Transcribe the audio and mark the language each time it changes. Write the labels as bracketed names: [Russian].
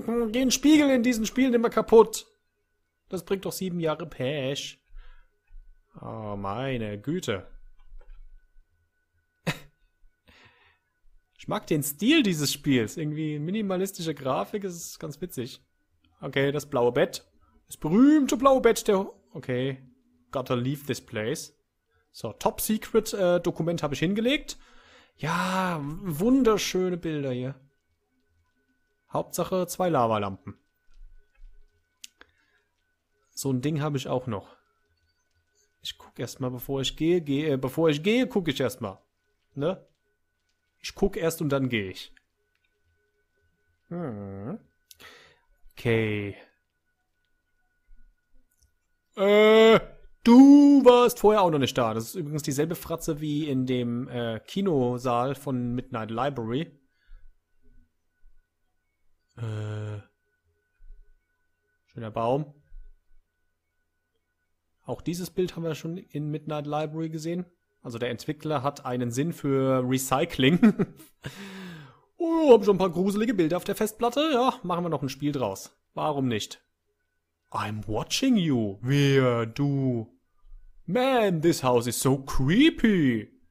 [German] Geh einen Spiegel in diesen Spielen immer kaputt. Das bringt doch 7 Jahre Pech. Oh, meine Güte. Ich mag den Stil dieses Spiels. Irgendwie minimalistische Grafik, das ist ganz witzig. Okay, das blaue Bett. Das berühmte blaue Bett, der... [English] Okay, gotta leave this place. [German] So, Top Secret Dokument habe ich hingelegt. Ja, wunderschöne Bilder hier. Hauptsache 2 Lavalampen. So ein Ding habe ich auch noch. Ich guck erstmal, bevor ich gehe, gucke ich erstmal. Ne? Ich guck erst und dann gehe ich. Okay. Du warst vorher auch noch nicht da. Das ist übrigens dieselbe Fratze wie in dem Kinosaal von Midnight Library. Schöner Baum. Auch dieses Bild haben wir schon in Midnight Library gesehen. Also der Entwickler hat einen Sinn für Recycling. Oh, hab schon ein paar gruselige Bilder auf der Festplatte. Ja, machen wir noch ein Spiel draus. Warum nicht? [English] I'm watching you. [German] Wer, du? [English] Man, this house is so creepy.